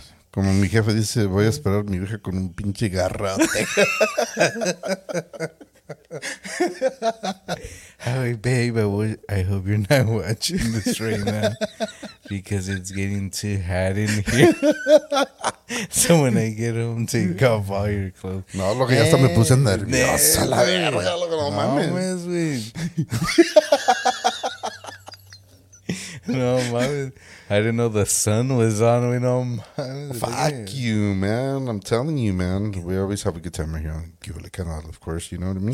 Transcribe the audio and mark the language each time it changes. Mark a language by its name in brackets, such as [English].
[Spanish] Como mi jefe dice, voy a esperar a mi vieja con un pinche garrote. [English] Hey, babe, I hope you're not watching this right now. Because it's getting too hot in here. So when I get home, take off all your clothes. [Spanish] No, lo que ya hasta me puse nervioso. La verga, lo que no mames. No, mames. [English] I didn't know the sun was on. We know. Fuck you, man. I'm telling you, man. We always have a good time right here on Give It a Canal, of course. You know what I mean?